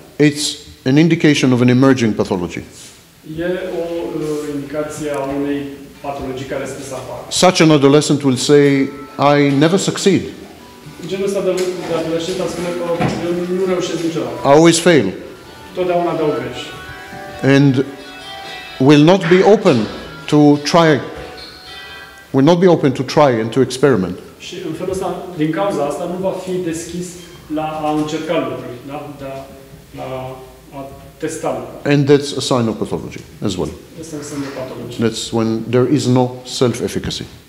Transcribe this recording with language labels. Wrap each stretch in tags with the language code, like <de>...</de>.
<en>it's an indication of an emerging pathology.</en> <ro>E o indicație a unei patologii care este să apară.</ro> <en>Such an adolescent will say, I never succeed.</en> <ro>Genul ăsta de adolescent a spune că eu nu reușesc niciodată.</ro> <en>I always fail.</en> <ro>Totdeauna dau greș.</ro> <en>And will not be open to try. Will not be open to try and to experiment.</en> <ro>Și în felul ăsta, din cauza asta, nu va fi deschis la a încerca lucruri, da? Da, la a</ro> <en>And that's a sign of pathology as well. That's when there is no self-efficacy.</en>